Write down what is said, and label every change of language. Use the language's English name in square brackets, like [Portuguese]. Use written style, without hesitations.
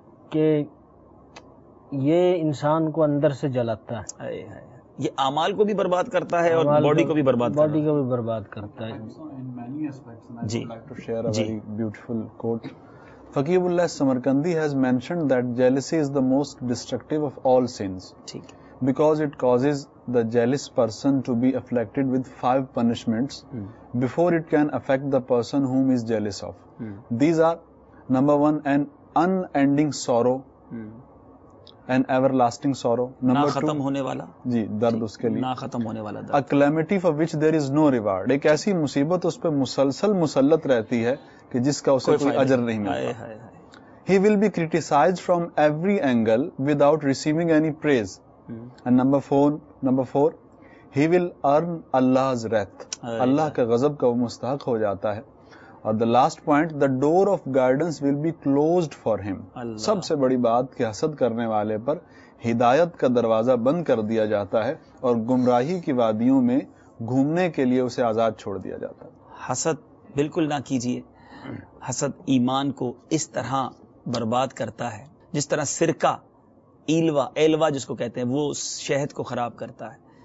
[Urdu] کہ یہ انسان کو اندر سے جلاتا ہے. اے اے اے. یہ اعمال کو بھی برباد کرتا ہے اور باڈی کو بھی برباد کرتا ہے. باڈی کو بھی برباد کرتا ہے. جی جی. [English] Beautiful quote, فقیہ اللہ Samarqandi has mentioned that jealousy is the most destructive of all sins. [Urdu] ٹھیک ہے. [English] Because it causes the jealous person to be afflicted with five punishments before it can affect the person whom he is jealous of. These are, number one, an unending sorrow, an everlasting sorrow. Number two, [Urdu] ختم ہونے والا جی درد اس کے لیے، نہ ختم ہونے والا درد. [English] A calamity for which there is no reward. [Urdu] ایک ایسی مصیبت اس پہ مسلسل مسلط رہتی ہے کہ جس کا اسے کوئی اجر نہیں ملتا. [English] He will be criticized from every angle without receiving any praise. And number four, he will earn Allah's wrath. [Urdu] Allah کا غضب کا وہ مستحق ہو جاتا ہے. [English] اور the last point, the door of guidance will be closed for him. [Urdu] سب سے بڑی بات کہ حسد کرنے والے پر ہدایت کا دروازہ بند کر دیا جاتا ہے اور گمراہی کی وادیوں میں گھومنے کے لیے اسے آزاد چھوڑ دیا جاتا ہے. حسد بالکل نہ کیجئے، حسد ایمان کو اس طرح برباد کرتا ہے جس طرح سرکہ ایلوا جس کو کہتے ہیں وہ شہد کو خراب کرتا ہے.